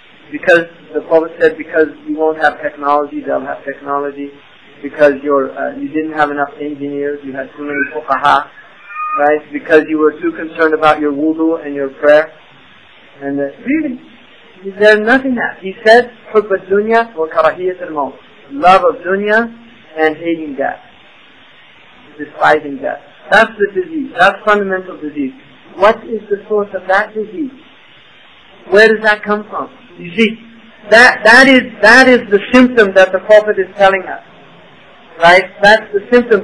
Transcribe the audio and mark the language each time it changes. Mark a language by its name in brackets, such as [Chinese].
[English] Because the Prophet said, because you won't have technology, they'll have technology. Because you didn't have enough engineers, you had too many fuqaha, right? Because you were too concerned about your wudu and your prayer. And really, there's nothing that. He said, [Arabic] حُبَّ الدُّنْيَا وَكَرَهِيَةَ الْمَوْتِ. [English] Love of dunya and hating death. Despising death. That's the disease. That's fundamental disease. What is the source of that disease? Where does that come from? You see, that is the symptom that the Prophet is telling us. Right? That's the symptom.